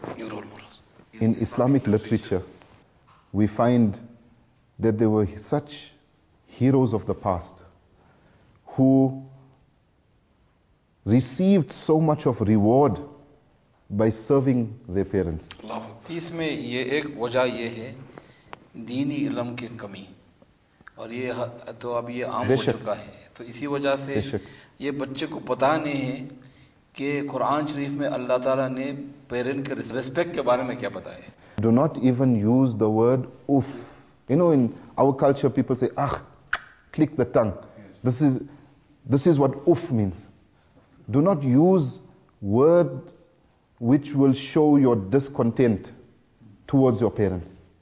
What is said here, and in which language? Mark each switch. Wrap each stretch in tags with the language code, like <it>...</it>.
<en>New role models. In Islamic literature, we find that there were such heroes of the past who received so much of reward by serving their parents.</en> <hi>इसमें ये एक वजह ये है दीनी इल्म की कमी और ये तो अब ये आम हो चुका है तो इसी वजह से ये बच्चे को पता नहीं है कि कुरान शरीफ में अल्लाह ताला ने पेरेंट के रिस्पेक्ट के बारे में क्या बताया</hi> <en>Do not even use the word uff. You know, in our culture, people say, ah, click the tongue. Yes. This is what uff means. Do not use words which will show your discontent towards your parents.</en>